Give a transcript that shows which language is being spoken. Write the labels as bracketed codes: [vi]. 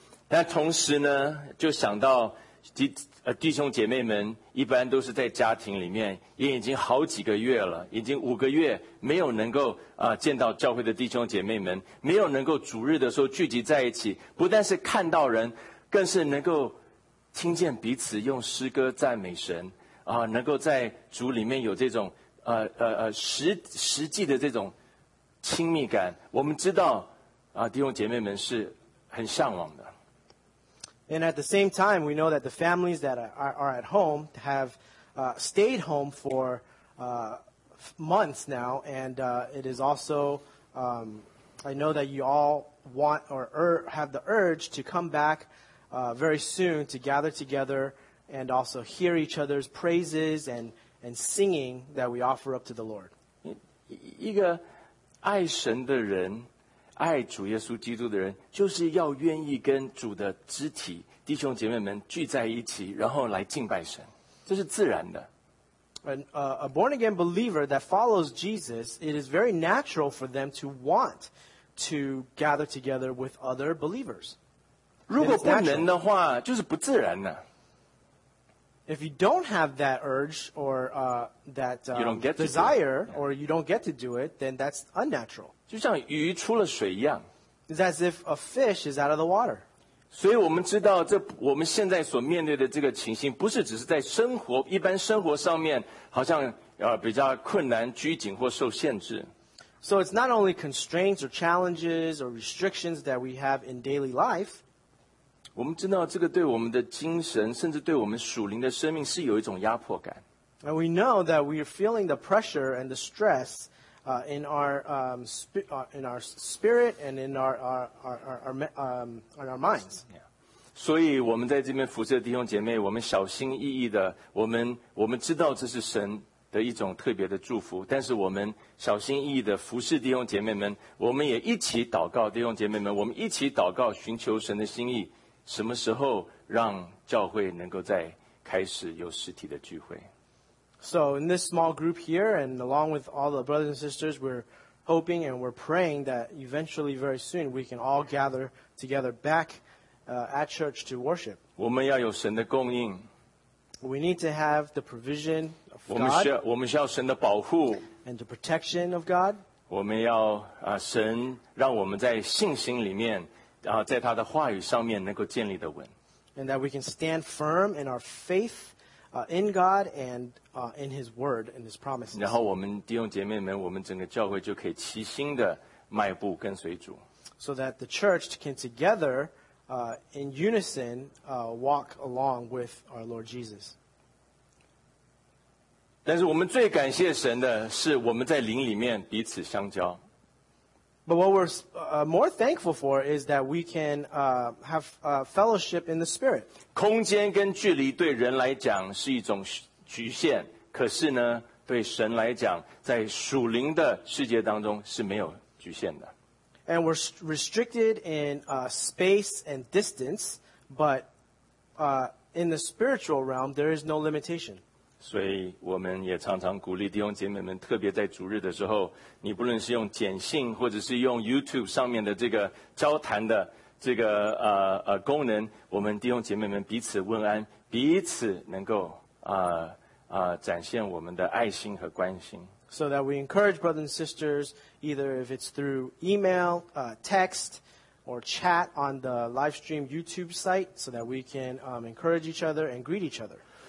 [zh] 但同时呢，就想到弟兄姐妹们一般都是在家庭里面，也已经好几个月了，已经五个月没有能够见到教会的弟兄姐妹们，没有能够主日的时候聚集在一起，不但是看到人，更是能够听见彼此用诗歌赞美神能够在主里面有这种实际的这种亲密感，我们知道弟兄姐妹们是很向往的。 [en] And at the same time, we know that the families that are at home have stayed home for months now, and it is also, I know that you all want or have the urge to come back very soon to gather together and also hear each other's praises and singing that we offer up to the Lord. [zh] 一个爱神的人，爱主耶稣基督的人，就是要愿意跟主的肢体弟兄姐妹们聚在一起，然后来敬拜神，这是自然的。 [en] A born again believer that follows Jesus, it is very natural for them to want to gather together with other believers. [zh] 如果不能的话，就是不自然的。 [en] If you don't have that urge or that desire, or you don't get to do it, then that's unnatural. [zh] 就像鱼出了水一样。 [en] It's as if a fish is out of the water. [zh] 所以我们知道这我们现在所面对的这个情形不是只是在生活一般生活上面好像比较困难拘谨或受限制。 [en] So it's not only constraints or challenges or restrictions that we have in daily life. [zh] 我们知道这个对我们的精神甚至对我们属灵的生命是有一种压迫感。 [en] And we know that we are feeling the pressure and the stress in our spirit and in our minds. Yeah. [zh] 所以我们在这边服侍的弟兄姐妹，我们小心翼翼的，我们知道这是神的一种特别的祝福，但是我们小心翼翼的服侍弟兄姐妹们，我们也一起祷告，弟兄姐妹们，我们一起祷告，寻求神的心意，什么时候让教会能够再开始有实体的聚会。 [en] So in this small group here, and along with all the brothers and sisters, we're hoping and we're praying that eventually, very soon, we can all gather together back at church to worship. [zh] 我们要有神的供应。 [en] We need to have the provision of God. [zh] 我们需要神的保护。 [en] And the protection of God. [zh] 我们要神让我们在信心里面，在他的话语上面能够建立的稳。 [en] And that we can stand firm in our faith. In God and in His Word and His promises. [zh] 然后我们弟兄姐妹们，我们整个教会就可以齐心的迈步跟随主。 [en] So that the church can together, in unison, walk along with our Lord Jesus. [zh] 但是我们最感谢神的是我们在灵里面彼此相交。 [en] But what we're more thankful for is that we can have fellowship in the Spirit. [zh] 空间跟距离对人来讲是一种局限，可是呢，对神来讲，在属灵的世界当中是没有局限的。 [en] And we're restricted in space and distance, but in the spiritual realm, there is no limitation. [zh] 所以我们也常常鼓励弟兄姐妹们，特别在主日的时候， 你不论是用简讯或者是用YouTube上面的这个交谈的 这个功能，我们弟兄姐妹们彼此问安，彼此能够展现我们的爱心和关心。 [en] So that we encourage brothers and sisters, either if it's through email, text, or chat on the live stream YouTube site, so that we can encourage each other and greet each other.